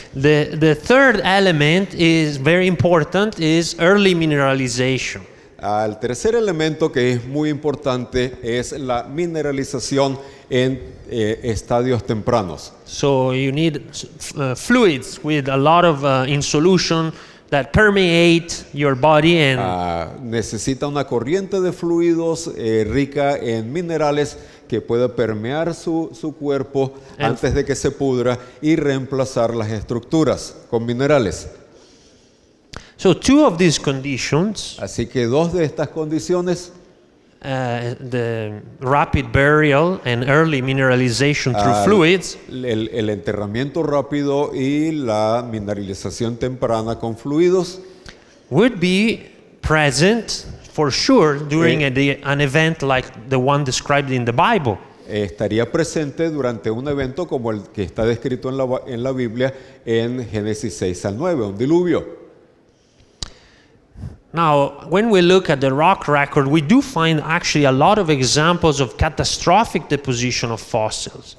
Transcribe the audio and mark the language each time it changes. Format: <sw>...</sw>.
<en>The third element is very important is early mineralization.</en> <es>El tercer elemento que es muy importante es la mineralización en estadios tempranos.</es> <en>So you need fluids with a lot of in solution that permeate your body and</en> <es>necesita una corriente de fluidos rica en minerales que pueda permear su cuerpo antes de que se pudra y reemplazar las estructuras con minerales.</es> <en>So two of these conditions.</en> <es>Así que dos de estas condiciones.</es> <en>The rapid burial and early mineralization through fluids.</en> <es>El enterramiento rápido y la mineralización temprana con fluidos</es> <en>would be present for sure during an event like the one described in the Bible.</en> <es>Estaría presente durante un evento como el que está descrito en la Biblia en Génesis 6 al 9, un diluvio.</es> <en>Now, when we look at the rock record, we do find actually a lot of examples of catastrophic deposition of fossils.</en>